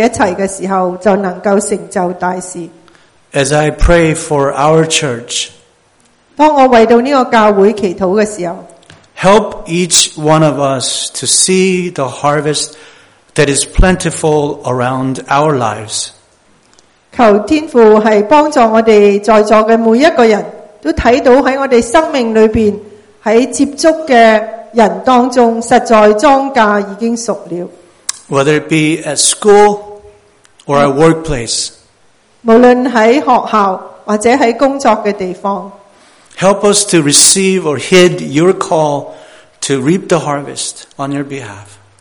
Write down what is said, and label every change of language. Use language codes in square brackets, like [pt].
[zh] 主，我们虽然是一个人，我们是很渺小，不能够为你做些什么大事，但是你实在给我们看到，当你是和我们在一起的时候，就能够成就大事。 [en] As I pray for our church, [zh] 当我为到这个教会祈祷的时候, [en] help each one of us to see the harvest that is plentiful around our lives. [zh] 求天父是帮助我们在座的每一个人都看到在我们生命里面在接触的人当中实在庄稼已经熟了。 [en] Whether it be at school or at workplace, [zh] 无论在学校或者在工作的地方, [en] help us to receive or heed your call to reap the harvest on your behalf.